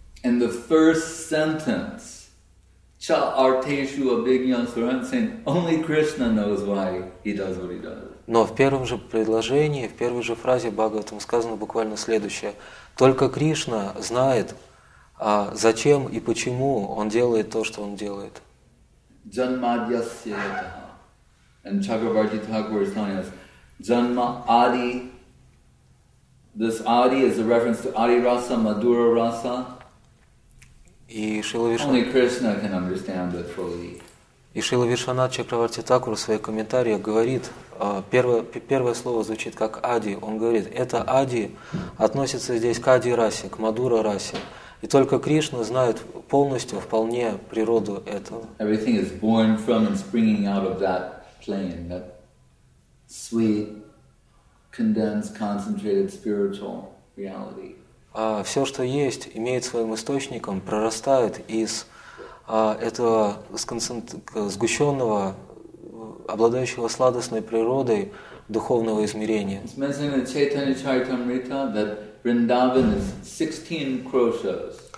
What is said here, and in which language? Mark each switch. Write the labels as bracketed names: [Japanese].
[English] And the first sentence, cha arteshu abhigyan surant, saying only Krishna knows why he does what he does. [Russian] Но в первом же предложении, в первой же фразе Бхагаватам сказано буквально следующее: только Кришна знает, зачем и почему он делает то, что он делает. [English] Janmadyasya. And Chakravarti Thakur is telling us, Janma Adi. This Adi is a reference to Adi Rasa, Madhura Rasa. Only Krishna can understand it fully. [Russian] И Шрила Вишванат Чакраварти Такур в своих комментариях говорит, первое слово звучит как Ади. Он говорит, это Ади относится здесь к Ади Расе, к Мадура Расе. И только Кришна знает полностью, вполне природу этого. [English] Everything is born from and springing out of that plane, that sweet, condensed, concentrated spiritual reality. [Russian] Все, что есть, имеет своим источником, прорастает из этого сгущенного, обладающего сладостной природой духовного измерения. [English] It's mentioned in Chaitanya Charitamrita that Vrindavan is 16 kroshas.